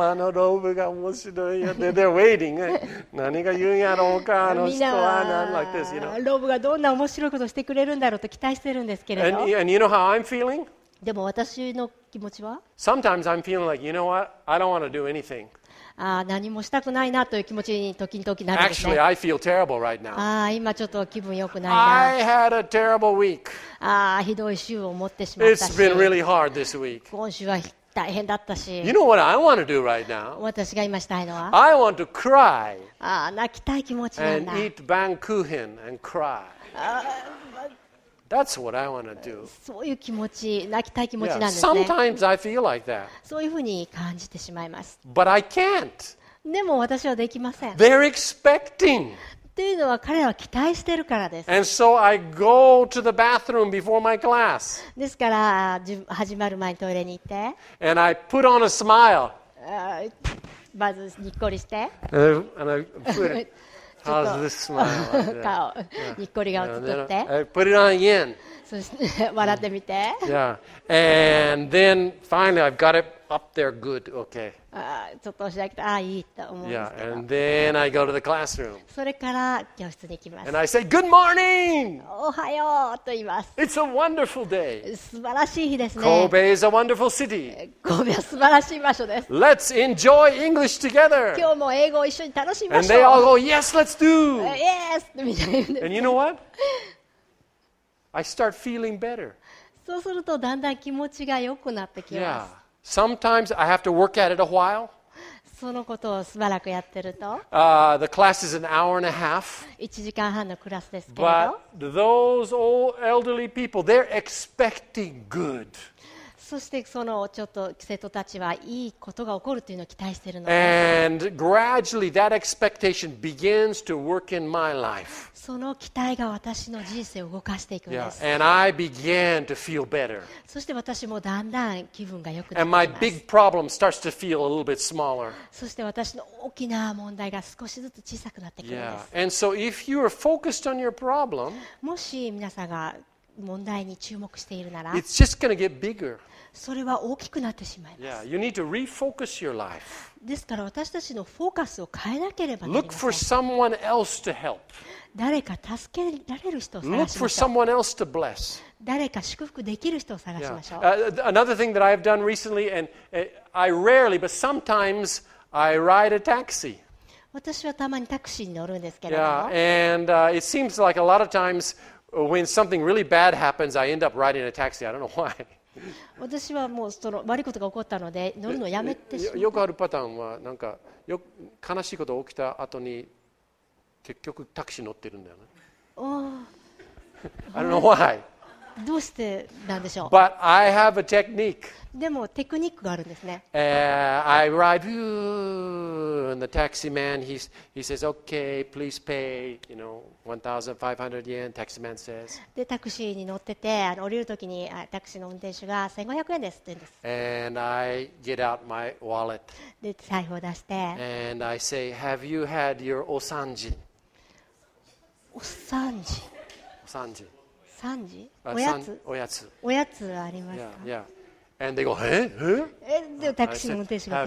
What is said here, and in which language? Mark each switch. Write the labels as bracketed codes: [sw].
[ja] あのローブが面白いよ。 [en] They're waiting. [ja] 何が言うんやろうか、あの人は。みんなは、ローブがどんな面白いことをしてくれるんだろうと期待してるんですけれど。 [en] And you know how I'm feeling? [ja] でも私の気持ちは [en] Sometimes I'm feeling like, you know what? I don't want to do anything. [ja] 何もしたくないなという気持ちに時々なるんですね。 [en] Actually, I feel terrible right now. [ja] 今ちょっと気分良くないな。 [en] I had a terrible week. [ja] ひどい週を持ってしまったし。 [en] It's been really hard this week. [ja] 今週は大変だったし。 [en] You know what I want to do right now? [ja] 私が今したいのは。 [en] I want to cry. [ja] ああ、泣きたい気持ちなんだ。 [en] And eat bankuchen and cry. That's what I want to do. [ja] そういう気持ち、泣きたい気持ちなんですね。 [en] Yeah, sometimes I feel like that. [ja] そういうふうに感じてしまいます。 [en] But I can't. [ja] でも私はできません。 [en] They're expecting. [ja] っていうのは彼らは期待してるからです。 [en] And so I go to the bathroom before my class. [ja] ですから始まる前にトイレに行って。 [en] And I put on a smile. [ja] まずにっこりして。 [en] And I put it. How's this smile? [ja] 顔、にっこり顔作って。 [en] I put it on again. [ja] そして笑ってみて。 [en] Yeah. And then finally I've got it up there good. Okay. [ja] ちょっと押し上げて、ああ、いいと思うんですけど。 [en] Yeah, and then I go to the classroom. [ja] それから教室に行きます。 [en] And I say, good morning! [ja] おはようと言います。 [en] It's a wonderful day. [ja] 素晴らしい日ですね。 [en] Kobe is a wonderful city. [ja] 神戸は素晴らしい場所です。 [en] Let's enjoy English together. [ja] 今日も英語を一緒に楽しみましょう。 [en] And they all go, yes, let's do! Yes! [ja] みたいな。 [en] And you know what? I start feeling better. [ja] そうするとだんだん気持ちが良くなってきます。 [en] Yeah. Sometimes I have to work at it a while. [ja] そのことをしばらくやってると。 [en] The class is an hour and a half. [ja] 1時間半のクラスですけど。 [en] But those old elderly people, they're expecting good. [ja] そしてそのちょっと生徒たちはいいことが起こるというのを期待してるの。 [en] And gradually that expectation begins to work in my life. [ja] その期待が私の人生を動かしていくんです。 [en] Yeah. And I began to feel better. [ja] そして私もだんだん気分が良くなります。 [en] And my big problem starts to feel a little bit smaller. [ja] そして私の大きな問題が少しずつ小さくなってくるんです。 [en] Yeah. And so if you are focused on your problem, [ja] もし皆さんが問題に注目しているなら、 [en] It's just gonna get bigger. [ja] それは大きくなってしまいます。 [en] Yeah, you need to refocus your life. [ja] ですから私たちのフォーカスを変えなければなりません。 [en] Look for someone else to help. [ja] 誰か助けられる人を探しましょう。 [en] Look for someone else to bless. [ja] 誰か祝福できる人を探しましょう。 [en] Yeah. Another thing that I've done recently, and I rarely, but sometimes I ride a taxi. [ja] 私はたまにタクシーに乗るんですけれども。 [en] Yeah, and it seems like a lot of times. When something really bad happens, I end up riding a taxi. I don't know why. [ja] 私はもうその悪いことが起こったので乗るのをやめてしまった。よくあるパターンはなんかよ悲しいことが起きた後に結局タクシー乗ってるんだよね。 [en] Oh. I don't know why. [ja] どうしてなんでしょう。 [en] But I have a technique. [ja] でもテクニックがあるんですね。 [en] I ride, and the taxi man he says, okay, please pay, you know, 1,500 yen. Taxi man says. [ja] でタクシーに乗ってて降りるときにタクシーの運転手が1500円ですって言うんです。 [en] And I get out my wallet. [ja] で財布を出して。 [en] And I say, have you had your osanji? [ja] Osanji. Osanji. 三時おやつ、おやつ、おやつありますか。 [en] Yeah, yeah. And they go, [ja] へ、へ。え、でタクシーの運転手が